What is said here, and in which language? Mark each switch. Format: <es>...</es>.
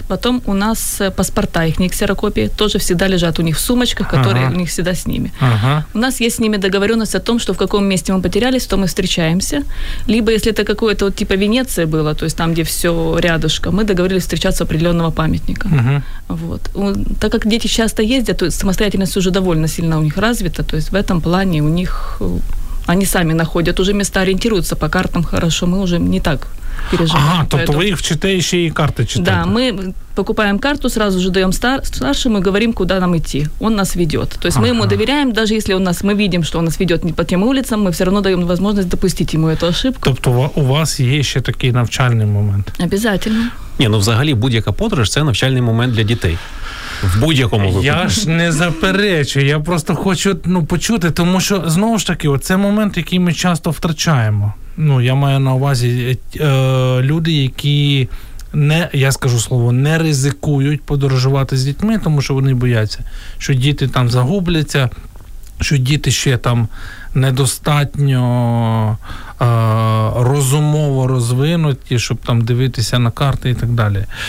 <uk>Потім у нас паспорта, їхні ксерокопії, теж завжди лежать у них в сумочках, які у них завжди з ними. Ага. У нас є з ними договоренность о том, що в якому місці ми потерялись, то ми зустрічаємося. Либо, якщо це какое-то типу Венеція було, то есть там, де все рядышком, ми договорились зустрічатися у определенного пам'ятника. Ага. Вот.</uk> <ru>Так как дети часто ездят, то самостоятельность уже довольно сильно у них развита, то есть в этом плане у них они сами находят уже места, ориентируются по картам хорошо, мы уже не так переживаем. Ага, то вы их читаете, еще и карты читаете. Да, мы покупаем карту, сразу же даем старшему и говорим, куда нам идти. Он нас ведет. То есть мы ему доверяем, даже если мы видим, что он нас ведет не по тем улицам, мы все равно даем возможность допустить ему эту ошибку. То есть у вас есть еще такой навчальный момент? Обязательно.</ru> <uk>Ні, взагалі будь-яка подорож – це навчальний момент для дітей. В будь-якому випадку. Я ж не заперечу, я просто хочу почути, тому що, знову ж таки, це момент, який ми часто втрачаємо. Ну, я маю на увазі люди, які не ризикують подорожувати з дітьми, тому що вони бояться, що діти там загубляться, що діти ще там недостатньо розумово розвинуті, щоб там дивитися на карти і так далі.</uk>